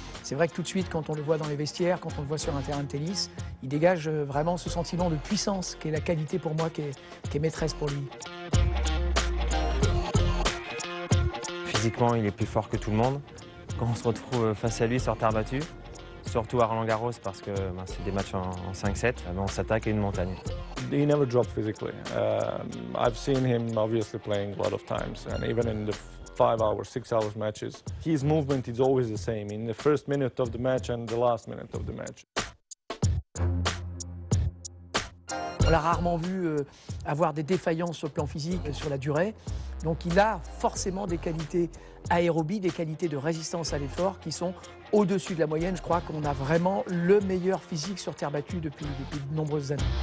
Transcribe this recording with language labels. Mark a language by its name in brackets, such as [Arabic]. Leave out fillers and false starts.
[French] C'est vrai que tout de suite, quand on le voit dans les vestiaires, quand on le voit sur un terrain de tennis, il dégage vraiment ce sentiment de puissance qui est la qualité pour moi, qui est maîtresse pour lui. Physiquement, il est plus fort que tout le monde. Quand on se retrouve face à lui sur terre battue, surtout à Roland Garros parce que ben, c'est des matchs en 5-7, ben, on s'attaque à une montagne. [English] He never dropped physically. I've seen him obviously playing a lot of times, and even in the 5-6 hours matches, his movement is always the same in the first minute of the match and the last minute of the match. [French] On l'a rarement vu avoir des défaillances sur le plan physique sur la durée. Donc il a forcément des qualités aérobies, des qualités de résistance à l'effort qui sont au-dessus de la moyenne. Je crois qu'on a vraiment le meilleur physique sur terre battue depuis de nombreuses années.